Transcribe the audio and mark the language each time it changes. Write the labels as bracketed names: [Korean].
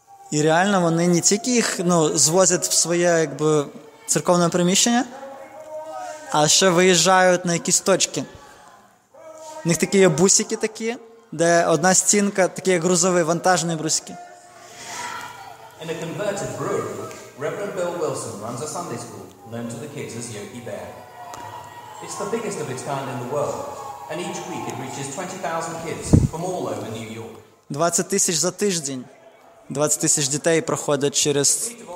[Ukrainian] І реально вони не тільки їх, ну, звозять в своє, якби, церковне приміщення, а ще виїжджають на якісь точки. У них такі є бусики такі, де одна стінка, такі як грузові, вантажні брусики. [English] In a converted brewery, Reverend Bill Wilson runs a Sunday school known to the kids as Yogi Bear. It's the biggest of its kind in the world, and each week it reaches 20,000 kids from all over New York. [Ukrainian] 20 тисяч за тиждень. 20 тисяч дітей проходять через...